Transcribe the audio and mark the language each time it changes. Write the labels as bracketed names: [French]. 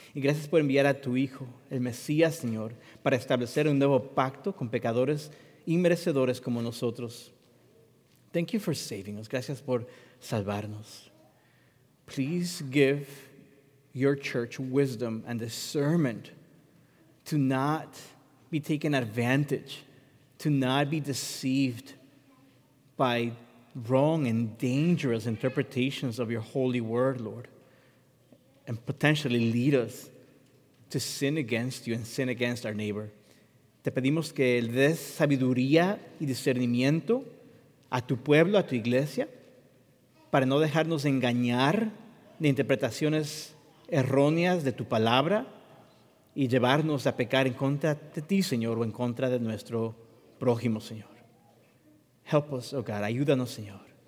[Spanish] Y gracias por enviar a tu Hijo, el Mesías, Señor, para establecer un nuevo pacto con pecadores inmerecedores como nosotros. [English] Thank you for saving us. [Spanish] Gracias por salvarnos. [English] Please give your church wisdom and discernment to not be taken advantage, to not be deceived by wrong and dangerous interpretations of your holy word, Lord, and potentially lead us to sin against you and sin against our neighbor. [Spanish] Te pedimos que des sabiduría y discernimiento a tu pueblo, a tu iglesia, para no dejarnos engañar de interpretaciones erróneas de tu palabra y llevarnos a pecar en contra de ti, Señor, o en contra de nuestro prójimo, Señor. [English] Help us, oh God. [Spanish] Ayúdanos, Señor.